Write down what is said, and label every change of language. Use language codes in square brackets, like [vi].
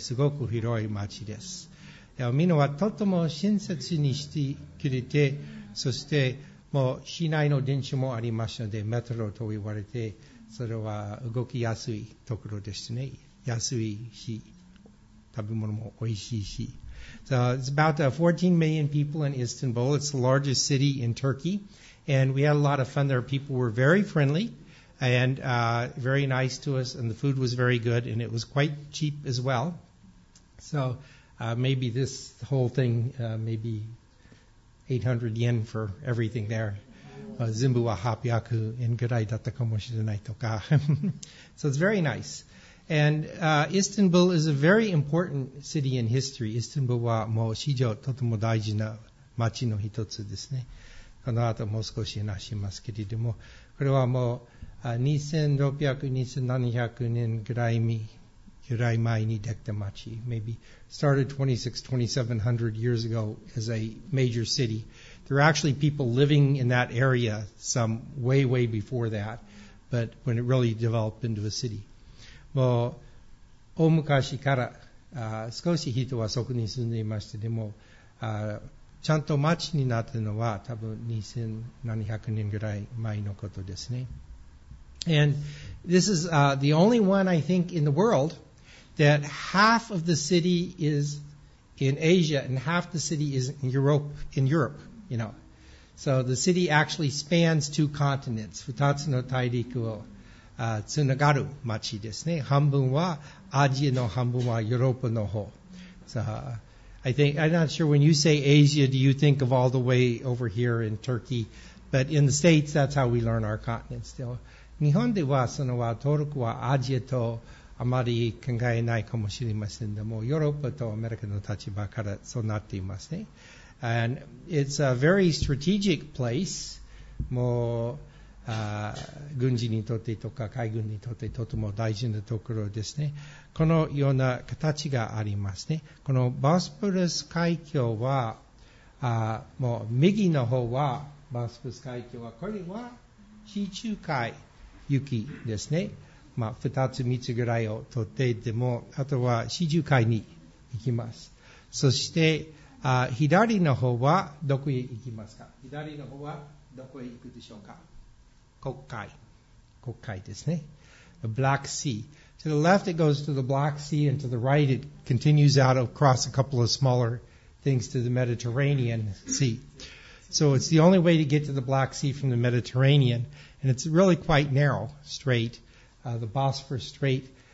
[ja] すごく広い町です。でもみんなはとても親切にしてくれて、そしてもう市内の電車もありますので、メトロと言われて、それは動きやすいところですね。安いし、食べ物もおいしいし。 [en] So it's about 14 million people in Istanbul. It's the largest city in Turkey. And we had a lot of fun there. People were very friendly and very nice to us. And the food was very good. And it was quite cheap as well. So maybe this whole thing, maybe 800 yen for everything there. [ja] 全部は800円ぐらいだったかもしれないとか。 [en] So it's very nice. And Istanbul is a very important city in history. [ja] Istanbul はもう史上とても大事な街の一つですね。この後もう少し話しますけれども、これはもう2600、2700年ぐらい前にできた町、 maybe started 2600-2700 years ago as a major city. [en] There were actually people living in that area some way, way before that, but when it really developed into a city. [ja] もう大昔から少し人はそこに住んでいましたでも、ちゃんと町になったのは多分2700年ぐらい前のことですね。 [en] And this is the only one I think in the world that half of the city is in Asia and half the city is in Europe, you know. So the city actually spans two continents, 二つの大陸をつながる町ですね。 [ja] 半分はアジアの半分はヨーロッパの方。 [en] I'm not sure when you say Asia, do you think of all the way over here in Turkey? But in the States, that's how we learn our continent still. [ja] 日本ではそのはトルクはアジアとあまり考えないかもしれませんでも、ヨーロッパとアメリカの立場からそうなっていますね。 [en] And it's a very strategic place. もう、 [ja] 軍事にとってとか海軍にとってとても大事なところですね。このような形がありますね。このボスポラス海峡は、もう右の方はボスポラス海峡は、これは地中海行きですね。まあ、二つ三つぐらいを取っていても、あとは地中海に行きます。そして、左の方はどこへ行きますか？左の方はどこへ行くでしょうか？黒海ですね。 The Black Sea. [en] To the left, it goes to the Black Sea, and to the right, it continues out across a couple of smaller things to the Mediterranean Sea. So it's the only way to get to the Black Sea from the Mediterranean, and it's really quite narrow, straight, the Bosphorus Strait.